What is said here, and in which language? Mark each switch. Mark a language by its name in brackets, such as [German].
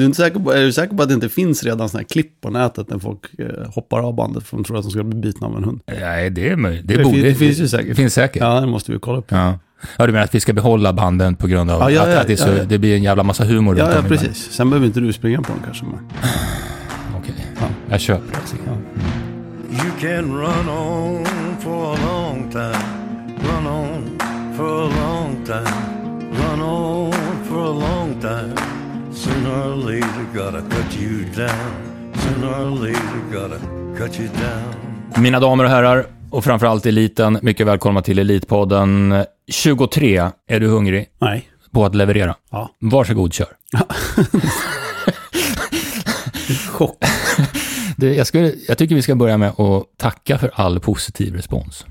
[Swedish] Är du säker på att det inte finns redan såna här klipp på nätet när folk hoppar av bandet för att de tror att de ska bli bitna av en hund? Nej, det är möjligt. Det finns säkert. Ja, det måste vi kolla upp. Ja. Ja, du menar att vi ska behålla banden på grund av att det blir en jävla massa humor? Ja, precis. Sen behöver inte du springa på den kanske. Okej, okay. Ja. Jag köper det. Ja. Mm. [English] You can run on for a long time. Run on for a long time. Run on for a long time. Sooner or later gotta cut you down. Sooner or later gotta cut you down. [Swedish] Mina damer och herrar, och framförallt eliten, mycket välkomna till Elitpodden 23. Är du hungrig? Nej. På att leverera? Ja. Varsågod, kör. Chock. Jag tycker vi ska börja med att tacka för all positiv respons.